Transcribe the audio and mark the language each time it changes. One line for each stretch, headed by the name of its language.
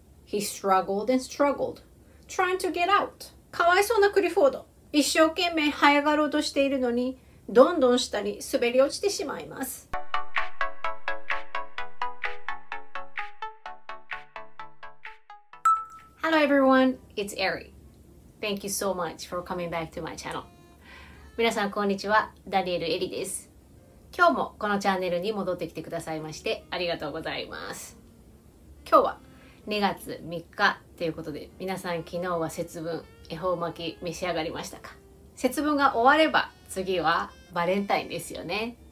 English: He struggled and struggled, trying to get out.
Japanese: かわいそうなクリフォード。一生懸命這い上がろうとしているのに、どんどん下に滑り落ちてしまいます。
English: Hello everyone, it's Eri. Thank you so much for coming back to my channel.
Japanese: 皆さんこんにちは、ダニエル・エリです。今日もこのチャンネルに戻ってきてくださいましてありがとうございます。今日は2月3日ということで、皆さん昨日は節分、恵方巻き召し上がりましたか？節分が終われば次はバレンタインですよね。